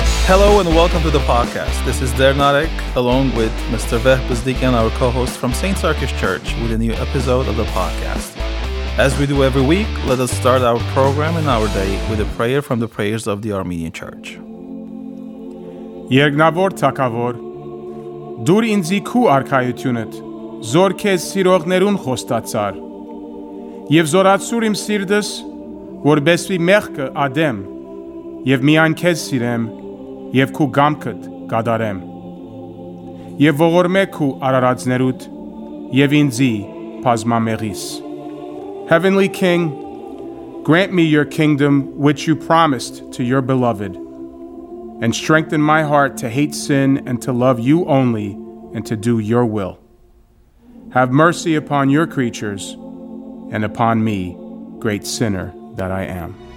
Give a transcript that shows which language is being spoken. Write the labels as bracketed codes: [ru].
[en] Hello and welcome to the podcast. This is Der Narek, along with Mr. Veh Bezdikyan, our co-host from St. Sarkis Church, with a new episode of the podcast. As we do every week, let us start our program and our day with a prayer from the prayers of the Armenian Church. [hy] Yergnavor takavor. Դուր ինձի քու արքայությունդ, զորքես սիրողներուն խոստացար, եւ զորացուր իմ սիրտս, որբեսի մեղքը ադեմ, եւ միայն քեզ սիրեմ, եւ քու գամքդ կադարեմ, եւ ողորմե քու արարածներուդ, եւ ինձի բազմամեղիս. [en] Heavenly King, grant me your kingdom which you promised to your beloved, and strengthen my heart to hate sin and to love you only and to do your will. Have mercy upon your creatures and upon me, great sinner that I am.